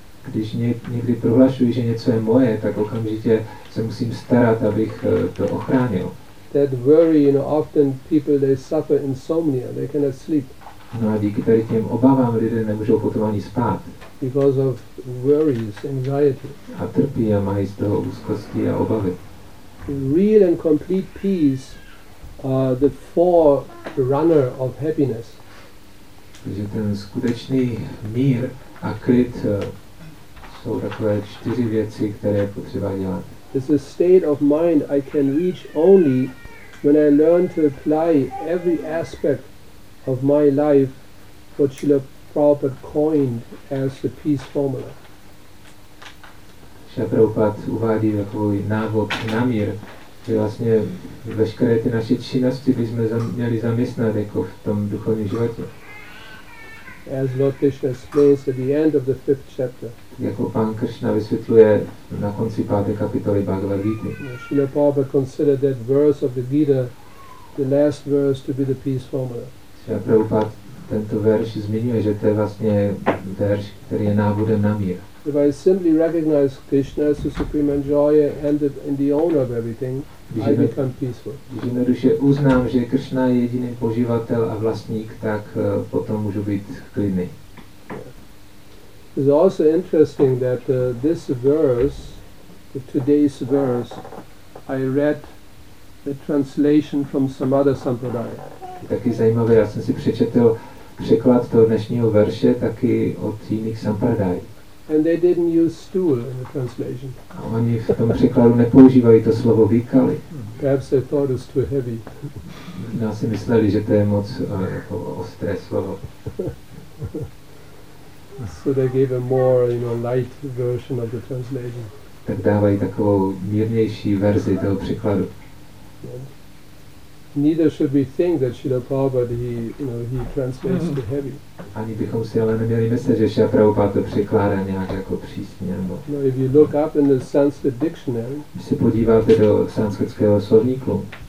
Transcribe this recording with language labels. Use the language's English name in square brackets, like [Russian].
[Czech] Když někdy prohlašuji, že něco je moje, tak okamžitě se musím starat, abych to ochránil. [English] That worry, you know, often people they suffer insomnia, they cannot sleep. [Czech] No a díky tady těm obavám lidé nemůžou potom ani spát. [English] Because of worries, anxiety. [Czech] A trpí a mají z toho úzkosti a obavy. [English] Real and complete peace. The forerunner of happiness. [Czech] Takže ten skutečný mír a klid jsou takové čtyři věci, které je potřeba dělat. [English] This is a state of mind I can reach only when I learn to apply every aspect of my life what Srila Prabhupada coined as the peace formula. [Czech] Šrila Prabhupada uvádí takový návod na mír, že vlastně veškeré ty naše činnosti bychom měli zaměstnat jako v tom duchovním životě. [English] As Lord Krishna explains at the end of the fifth chapter. [Czech] Jako pan Krishna vysvětluje na konci páté kapitoly Bhagavad Gita. [English] Srila Prabhupada considered that verse of the Gita, the last verse, to be the peace formula. [Czech] Srila Prabhupada tento verš zmiňuje, že to je vlastně verš, který je návodem na mír. [English] If I simply recognize Krishna as the supreme enjoyer and the owner of everything, I become peaceful. [Czech] Když jednoduše uznám, že Krishna je jediný poživatel a vlastník, tak potom můžu být klidný. [English] Yeah. It's also interesting that this verse, the today's verse, I read the translation from some other sampradaya. [Czech] Taky zajímavé, já jsem si přečetl překlad toho dnešního verše taky od jiných sampradaj. [English] And they didn't use stool in the translation. [Czech] A oni v tom překladu nepoužívají to slovo výkali. [English] Perhaps they thought it was too heavy. [Czech] No, si mysleli, že to je moc jako ostré slovo. [English] So they gave a more, you know, light version of the translation. [Czech] Tak dávají takovou mírnější verzi toho překladu. [English] Neither should we think that Srila Prabhupada, he, you know, he translates too heavy. [Czech] Ani bychom si ale neměli myslet, že Srila Prabhupada to překládá nějak jako přísně. Nebo... [English] No, if you look up in the Sanskrit dictionary. [Czech] Když se podíváte do sanskritského slovníku.